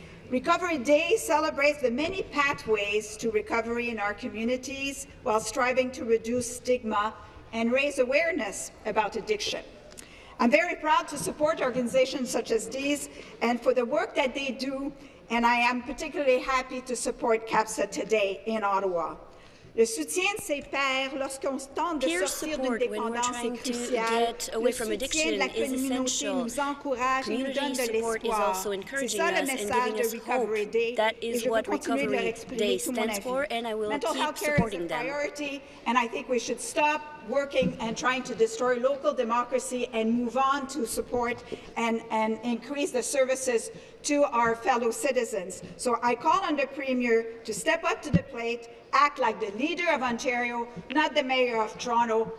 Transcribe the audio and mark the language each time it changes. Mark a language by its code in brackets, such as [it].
[en] Recovery Day celebrates the many pathways to recovery in our communities while striving to reduce stigma and raise awareness about addiction. I'm very proud to support organizations such as these and for the work that they do, and I am particularly happy to support CAPSA today in Ottawa. [fr] Le soutien de ses pairs lorsqu'on tente de sortir d'une dépendance est crucial. Le soutien de la communauté nous encourage et nous donne de l'espoir. C'est ça le message de Recovery Day et je vais continuer de leur expliquer tout mon avis. [en] Mental health care is a priority and I think we should stop working and trying to destroy local democracy and move on to support and increase the services to our fellow citizens. So I call on the Premier to step up to the plate, act like the leader of Ontario, not the mayor of Toronto.